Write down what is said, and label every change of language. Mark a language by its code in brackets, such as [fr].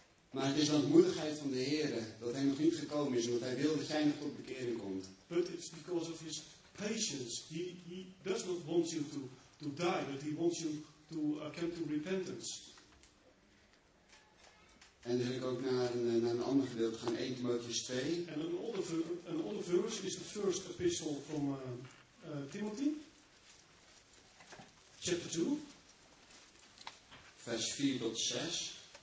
[nl] Maar het is dan de moedigheid van de Heere dat hij nog niet gekomen is, omdat hij wil dat jij nog tot bekering komt. [en] But it's because of his patience. He does not want you to die, but he wants you to come to repentance. [nl] En dan wil ik ook naar een ander gedeelte gaan, 1 Timotheus 2. En een andere vers is de [en] first epistle [nl] van Timothy, [en] chapter 2, [nl] vers 4 tot 6.